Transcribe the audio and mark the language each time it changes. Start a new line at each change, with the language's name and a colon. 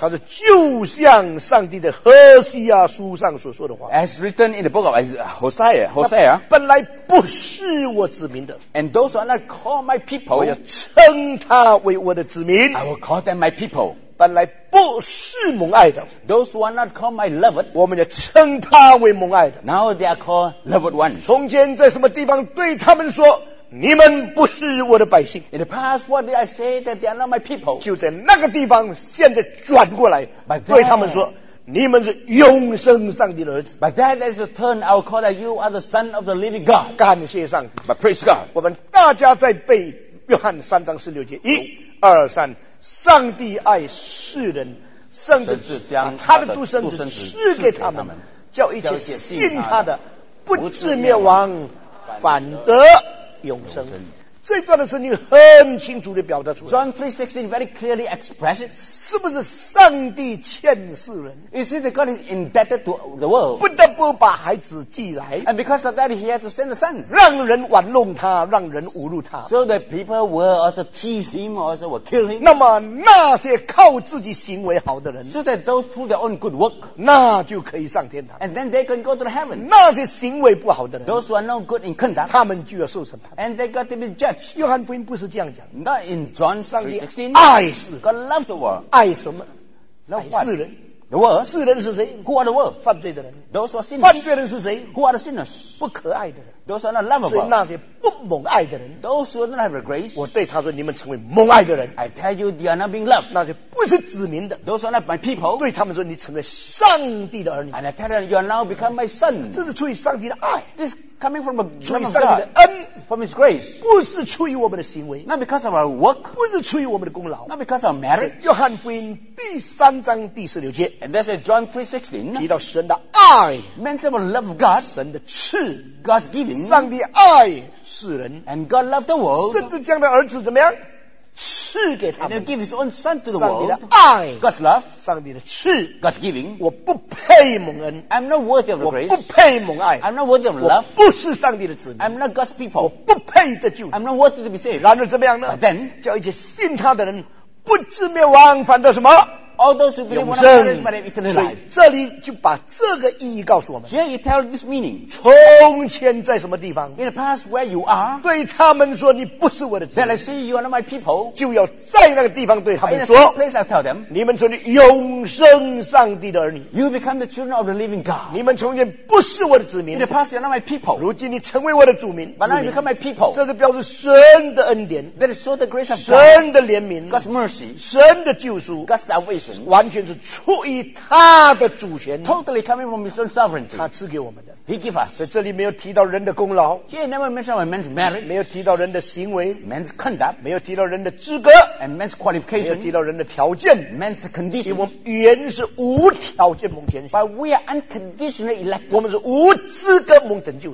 Chinese: 他说就像上帝的何西亚书上所说的话
English: As written in the book of Hosea
Chinese: 本来不是我子民的
English: And those who are not called my people
Chinese: 我要称他为我的子民
English: I will call them my people
Chinese: 本来不是蒙爱的。
English: Those who are not called my loved,
Chinese: 我们也称他为蒙爱的。
English: Now they are called loved ones.
Chinese: 从前在什么地方对他们说，你们不是我的百姓。
English: In the past, what did I say that they are not my people?
Chinese: 就在那个地方，现在转过来对他们说，你们是永生上帝的儿子。
English: By that is a turn, I'll call that you are the son of the living God.
Chinese: 感谢上帝。
English: But praise God.
Chinese: 我们大家在背约翰三章十六节，一、二、三。上帝爱世人，甚至将他的独生子赐给他们，叫一切信他的不至灭亡，反得永生。这段的圣经很清楚地表达出来。
English: John 3:16 very clearly expresses，
Chinese: 是不是上帝欠世人
English: ？You see, the God is indebted to the world，
Chinese: 不得不把孩子寄来。
English: And because of that, he had to send the son，
Chinese: 让人玩弄他，让人侮辱他。
English: So the people will also tease him, also will kill him。
Chinese: 那么那些靠自己行为好的人
English: ，So that those through their own good work，
Chinese: 那就可以上天堂。
English: And then they can go to heaven。
Chinese: 那些行为不好的人
English: ，Those who are no good in conduct，
Chinese: 他们就要受审判。
English: And they got to be judged。
Chinese: 约翰福音不是这样讲。
English: 那 in John 3:16，
Chinese: 爱是
English: God loved the world，
Chinese: 爱什么？爱世人。
English: The world，
Chinese: 世人是谁
English: ？Who are the world？
Chinese: 犯罪的人。
English: Those who are sinners。
Chinese: 犯罪人是谁
English: ？Who are the sinners？
Chinese: 不可爱的人。
English: Those who are not lovable。
Chinese: 所以那些不蒙爱的人。
English: Those who do not have grace。
Chinese: 我对他说，你们成为蒙爱的人。
English: I tell you they are not being loved。
Chinese: 那些不是子民的。
English: Those who are not my people。
Chinese: 对他们说，你成为上帝的儿女。
English: And I tell them you are now become my son。
Chinese: 这是出于上帝的爱。
English: This coming from a love of God。
Chinese: 出于上帝的恩。
English: From his grace。
Chinese: 不是出于我们的行为。
English: Not because of our work。
Chinese: 不是出于我们的功劳。
English: Not because of merit。
Chinese: 约翰福音第三章第十六节。
English: And that's in John 3:16。
Chinese: 提到神的爱。
English: Mention of love of God。
Chinese: 神的赐。
English: God's giving。
Chinese: 上帝爱世人。
English: And God loved the world。
Chinese: 甚至将他儿子怎么样？赐给他们。
English: And he gave his own son to the world。
Chinese: 上帝的爱。
English: God's love。
Chinese: 上帝的赐。
English: God's giving。
Chinese: 我不配蒙恩。
English: I'm not worthy of grace。
Chinese: 我不配蒙爱。
English: I'm not worthy of love。
Chinese: 我不是上帝的子民。
English: I'm not God's people。
Chinese: 我不配得救。
English: I'm not worthy to be saved。
Chinese: 然而怎么样呢？
English: But then，
Chinese: 叫一切信他的人不至灭亡，反得什么？
English: All those who believe will not perish but have eternal life.
Chinese: 这里就把这个意义告诉我们。
English: Here you tell this meaning.
Chinese: 从前在什么地方
English: ？In the past where you are.
Chinese: 对他们说你不是我的子民。
English: Then I say you are not my people.
Chinese: 就要在那个地方对他们说。
English: In the same place I tell them.
Chinese: 你们成为永生上帝的儿女。
English: You become the children of the living God.
Chinese: 你们从前不是我的子民。
English: In the past you are not my people.
Chinese: 如今你成为我的主民。
English: But now you become my people.
Chinese: 这是表示神的恩典。
English: That is show the grace of God.
Chinese: 神的怜悯。
English: God's mercy.
Chinese: 神的救赎。
English: God's salvation.
Chinese: 完全是出于他的主权
English: ，totally coming from his own sovereignty，
Chinese: 他赐给我们的
English: ，he give us。
Chinese: 在这里没有提到人的功劳
English: ，he never mentioned our man's merit，
Chinese: 没有提到人的行为
English: ，man's conduct，
Chinese: 没有提到人的资格
English: ，and man's qualification，
Chinese: 没有提到人的条件
English: ，man's condition。
Chinese: 我们原是无条件蒙拣选
English: ，but we are unconditionally elected。
Chinese: 我们是无资格蒙拯救